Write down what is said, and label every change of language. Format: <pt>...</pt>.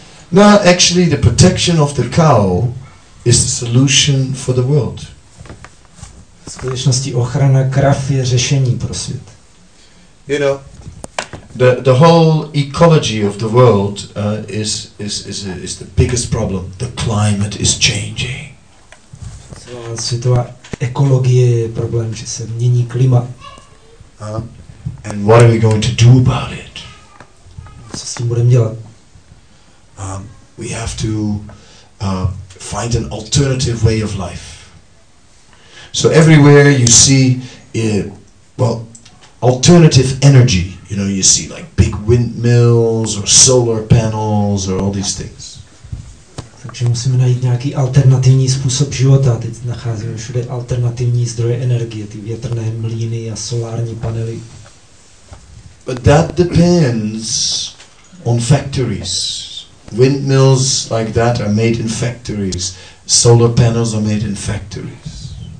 <en>No, actually, the protection of the cow is the solution for the world.</en> <cs>V skutečnosti ochrana krav je řešení pro svět.</cs> <en>You know, the whole ecology of the world is the biggest problem. The climate is changing.</en> <cs>Celá světová ekologie je problém, že se mění klima.</cs> <en>And what are we going to do about it?</en> <cs>Co s tím budeme dělat?</cs> <en>We have to find an alternative way of life. So everywhere you see, alternative energy. You know, you see like big windmills or solar panels or all these things.</en> <cs>Takže musíme najít nějaký alternativní způsob života. Teď nacházíme všude alternativní zdroje energie, ty větrné mlýny a solární panely.</cs> <en>But that depends on factories. Windmills like that are made in factories. Solar panels are made in factories.</en>